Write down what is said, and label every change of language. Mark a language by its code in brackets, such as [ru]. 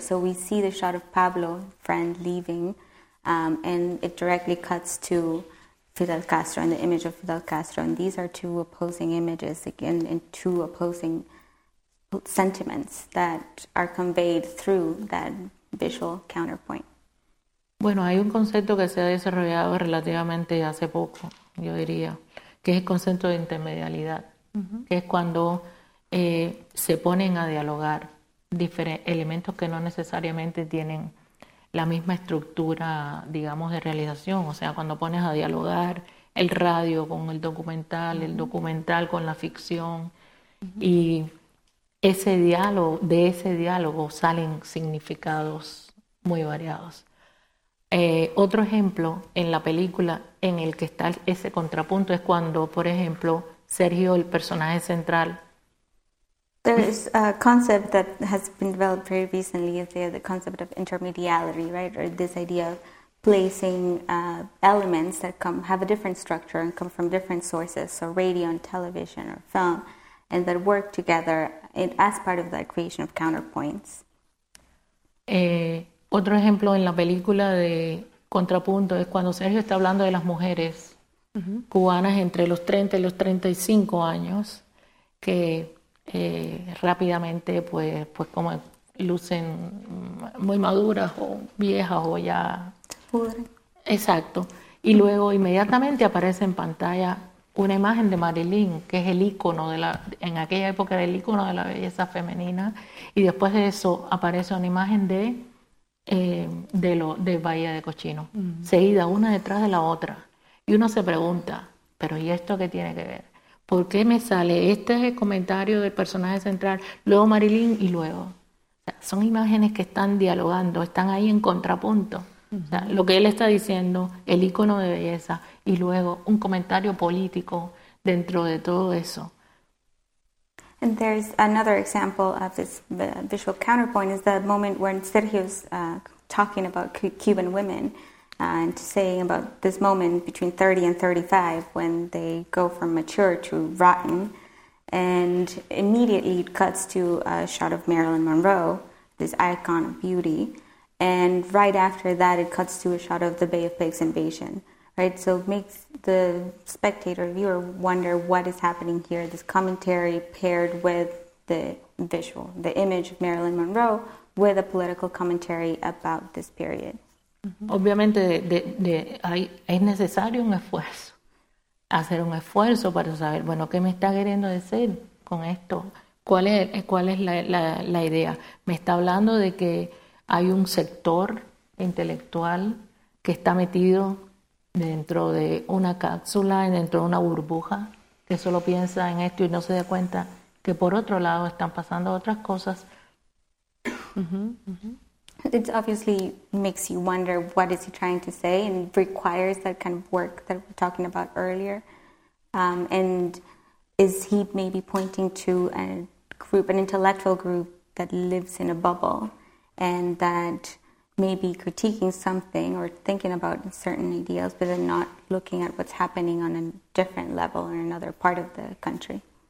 [en] So we see the shot of Pablo, friend, leaving, and it directly cuts to Fidel Castro and the image of Fidel Castro. And these are two opposing images, again, and two opposing sentiments that are conveyed through that visual counterpoint. [es] Bueno, hay un concepto que se ha desarrollado relativamente hace poco, yo diría, que es el concepto de intermedialidad, mm-hmm. que es cuando se ponen a dialogar elementos que no necesariamente tienen la misma estructura, digamos, de realización. O sea, cuando pones a dialogar el radio con el documental, mm-hmm. el documental con la ficción, mm-hmm. y ese diálogo, de ese diálogo salen significados muy variados. Otro ejemplo en la película en el que está ese contrapunto es cuando, por ejemplo, Sergio, el personaje central, [en] there is a concept that has been developed very recently, is the concept of intermediality, right? Or this idea of placing elements that come have a different structure and come from different sources, so radio and television or film, and that work together in, as part of the creation of counterpoints. [es] Otro ejemplo en la película de contrapunto es cuando Sergio está hablando de las mujeres mm-hmm. cubanas entre los 30 y los 35 años que rápidamente pues como lucen muy maduras o viejas o ya pudre. Exacto. Y luego inmediatamente aparece en pantalla una imagen de Marilyn, que es el ícono de la, en aquella época era el ícono de la belleza femenina, y después de eso aparece una imagen de Bahía de Cochino, uh-huh. seguida una detrás de la otra. Y uno se pregunta, ¿pero y esto qué tiene que ver? ¿Por qué me sale este comentario del personaje central, luego Marilyn y luego? O sea, son imágenes que están dialogando, están ahí en contrapunto. Uh-huh. O sea, lo que él está diciendo, el icono de belleza, y luego un comentario político dentro de todo eso. [en] And there's another example of this visual counterpoint is the moment when Sergio's talking about Cuban women. And saying about this moment between 30 and 35 when they go from mature to rotten, And immediately it cuts to a shot of Marilyn Monroe, this icon of beauty. And right after that, it cuts to a shot of the Bay of Pigs invasion, right? So it makes the spectator, viewer, wonder what is happening here, this commentary paired with the visual, the image of Marilyn Monroe with a political commentary about this period. [es] Mm-hmm. Obviamente, es necesario un esfuerzo. Hacer un esfuerzo para saber, bueno, ¿qué me está queriendo decir con esto? ¿Cuál es la idea? Me está hablando de que hay un sector intelectual que está metido dentro de una cápsula, dentro de una burbuja, que solo piensa en esto y no se da cuenta que por otro lado están pasando otras cosas. [en] It obviously makes you wonder what is he trying to say and requires that kind of work that we're talking about earlier. And is he maybe pointing to a group, an intellectual group that lives in a bubble and that may be critiquing something or thinking about certain ideals, but then not looking at what's happening on a different level in another part of the country?